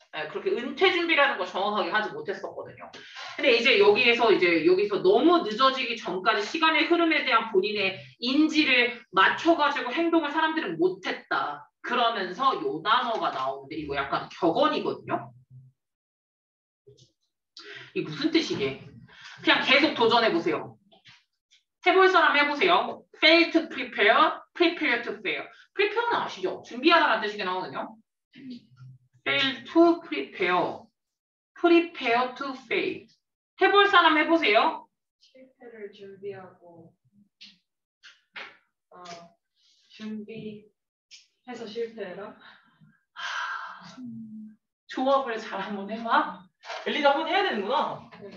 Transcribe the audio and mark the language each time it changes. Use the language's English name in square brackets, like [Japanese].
[Korean] 그렇게 은퇴 준비라는 걸 정확하게 하지 못했었거든요. 근데 이제 여기서 너무 늦어지기 전까지 시간의 흐름에 대한 본인의 인지를 맞춰가지고 행동을 사람들은 못했다. 그러면서 요 단어가 나오는데 이거 약간 격언이거든요. 이게 무슨 뜻이게? 그냥 계속 도전해보세요. 해볼 사람 해보세요. [English] Fail to prepare, prepare to fail. [Korean] Prepare는 아시죠? 준비하다라는 뜻이게 나오거든요. [English] Fail to prepare, prepare to fail. [Korean] 해볼 사람 해보세요. 실패를 준비하고 준비해서 실패해라. 조합을 잘 한번 해봐. 엘리도 한번 해야 되는구나.